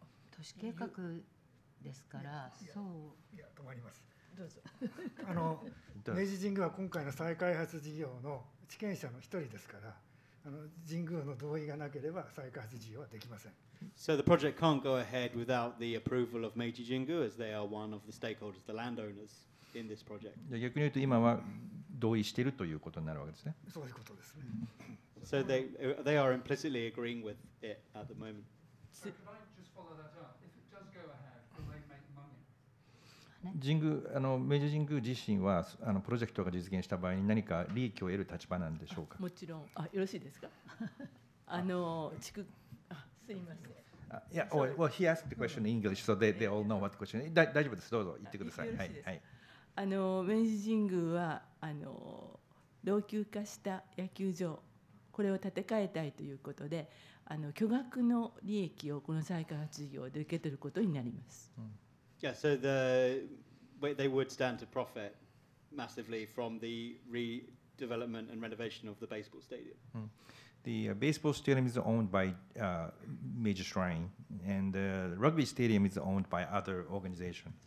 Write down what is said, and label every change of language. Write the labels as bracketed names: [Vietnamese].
[Japanese] 都市計画ですから、そういや止まります、どうぞ。明治神宮は今回の再開発事業の地権者の一人ですから、神宮の同意がなければ再開発事業はできません。 [English] So the project can't go ahead without the approval of Meiji Jingu as they are one of the stakeholders, the landowners in this project. [Japanese] 逆に言うと今は同意しているということになるわけですね。そういうことですね。 [English] So they are implicitly agreeing with it at the moment. [Japanese] 神宮、明治神宮自身はプロジェクトが実現した場合に何か利益を得る立場なんでしょうか？もちろん。あ、よろしいですか？地区、すいません。 [English] He asked the question in English, so they all know what the question is. [Japanese] 大丈夫です。どうぞ、言ってください。はい、はい。明治神宮は老朽化した野球場、これを建て替えたいということで、巨額の利益をこの再開発事業で受け取ることになります。うん、 [English] Yeah, so they would stand to profit massively from the redevelopment and renovation of the baseball stadium. Mm. The baseball stadium is owned by Meiji Shrine, and the rugby stadium is owned by other organization.